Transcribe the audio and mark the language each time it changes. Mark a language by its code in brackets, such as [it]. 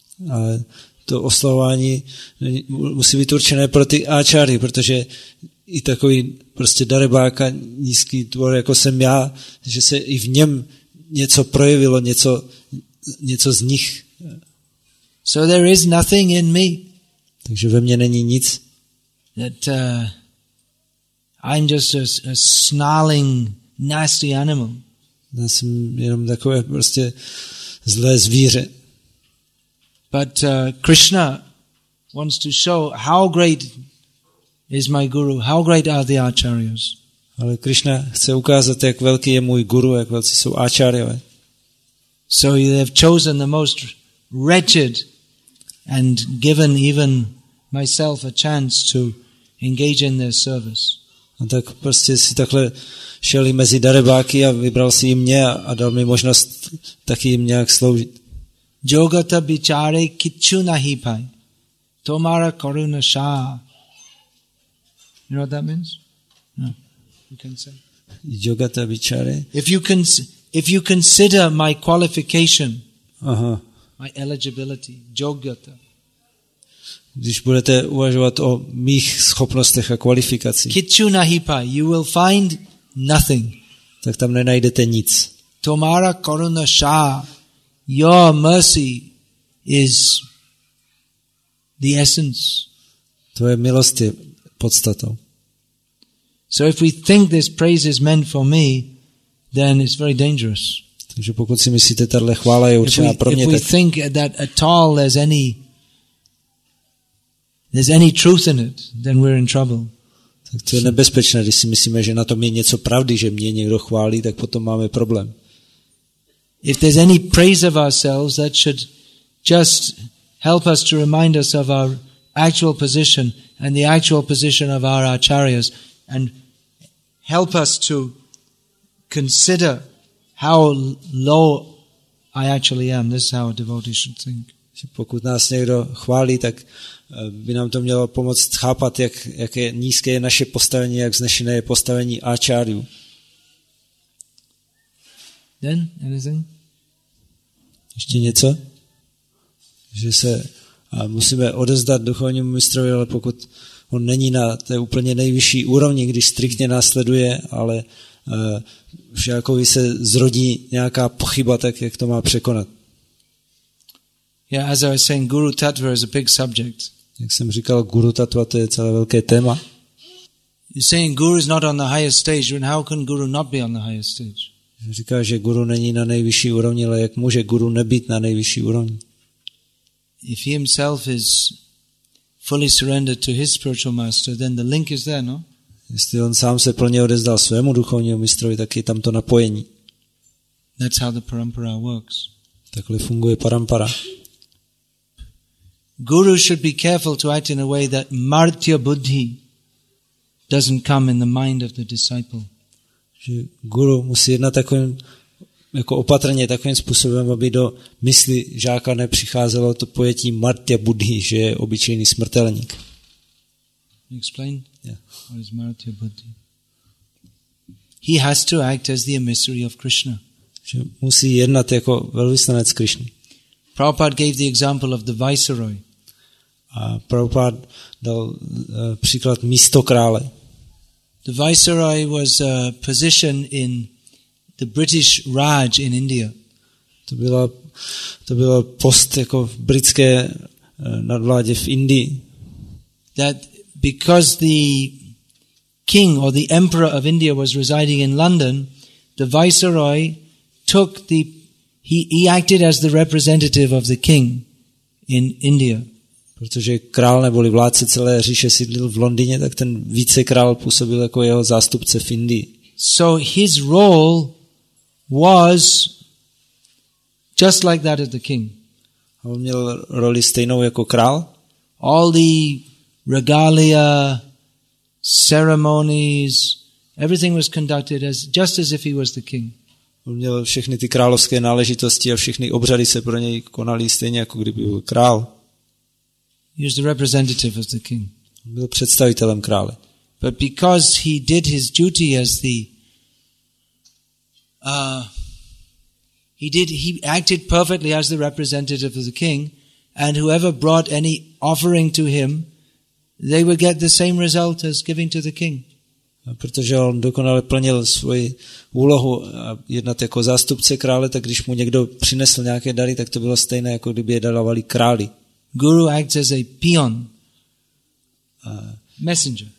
[cs] A to oslavování musí být určené pro ty áčary, protože i takový prostě darebák a nízký tvor, jako jsem já, že se i v něm něco projevilo, něco z nich. [en] So there is nothing in me. [cs] Takže ve mně není nic. [en] That I'm just a snarling nasty animal. [cs] Já jsem jenom takové prostě zlé zvíře. [en] But Krishna wants to show how great is my guru, how great are the acharyas. [cs] Ale Krishna chce ukázat, jak velký je můj guru, jak velcí jsou acharyové. [en] So they have chosen the most wretched and given even myself a chance to engage in their service. [cs] A tak prostě si takhle šel mezi darebáky a vybral si i mě a dal mi možnost taky jim nějak sloužit. [bn] Jogata bichare kichu nahi pai. Tomara karuna sha. [en] You know what that means? No. You can say. [bn] Jogata bichare. [en] If you consider my qualification, My eligibility, jogata. [cs] Když budete uvažovat o mých schopnostech a kvalifikacích. [bn] Kichu nahi pai. [en] You will find nothing. [cs] Tak tam nenajdete nic. [bn] Tomara karuna sha. [en] Your mercy is the essence. [cs] Tvoje milost je podstatou. [en] So if we think this praise is meant for me, then it's very dangerous. [cs] Takže pokud si myslíte, tato chvála je určená pro mě, [en] if we think that at all there's any truth in it, then we're in trouble. [cs] Tak to je nebezpečné, když si myslíme, že na tom je něco pravdy, že mě někdo chválí, tak potom máme problém. [en] If there's any praise of ourselves, that should just help us to remind us of our actual position and the actual position of our acharyas and help us to consider how low I actually am. This is how a devotee should think. [cs] Pokud nás někdo chválí, tak by nám to mělo pomoct chápat, jak nízké je naše postavení, jak vznešené je postavení acharyů. [en] Then, anything? [cs] Ještě něco? Že se musíme odezdat duchovnímu mistrovi, ale pokud on není na té úplně nejvyšší úrovni, když striktně následuje, ale všakovi se zrodí nějaká pochyba, tak jak to má překonat? [en] Yeah, as I was saying, Guru Tattva is a big subject. [cs] Jak jsem říkal, Guru Tattva, to je celé velké téma. [en] You're saying Guru is not on the highest stage, and how can Guru not be on the highest stage? [cs] Říká, že guru není na nejvyšší úrovni, ale jak může guru nebýt na nejvyšší úrovni? [en] If he himself is fully surrendered to his spiritual master, then the link is there, no? [cs] Jestli on sám se plně odezdal svému duchovnímu mistrovi, tak je tam to napojení. [en] That's how the parampara works. [cs] Takhle funguje parampara. [en] Guru should be careful to act in a way that martya buddhi doesn't come in the mind of the disciple. [cs] Že guru musí jednat takovým jako opatrně, takovým způsobem, aby do mysli žáka nepřicházelo to pojetí martya buddhi, že je obyčejný smrtelník. [en] Explain? Yeah. What is martya buddhi? He has to act as the emissary of Krishna. [cs] Že musí jednat jako velvyslanec Krishny. [en] Prabhupada gave the example of the viceroy. [cs] A Prabhupada dal příklad místo krále. [en] The viceroy was a position in the British Raj in India. [cs] To byla post jako v britské nadvládě v Indii. [en] That because the king or the emperor of India was residing in London, the viceroy took the he acted as the representative of the king in India. [cs] Protože král neboli vládce celé říše sídlil v Londýně, tak ten vícekrál působil jako jeho zástupce v Indii. [en] So his role was just like that of the king. [cs] On měl roli stejnou jako král. [en] All the regalia, ceremonies, everything was conducted as just as if he was the king. [cs] On měl všechny ty královské náležitosti a všechny obřady se pro něj konaly stejně jako kdyby byl král. [en] He was the representative of the king. [cs] On byl představitelem krále. [en] But because he did his duty as the he acted perfectly as the representative of the king, and whoever brought any offering to him, they would get the same result as giving to the king. [cs] Protože on dokonale plnil svoji úlohu a jednat jako zástupce krále, tak když mu někdo přinesl nějaké dary, tak to bylo stejné, jako kdyby je dalovali králi. [en] Guru acts as a peon, messenger.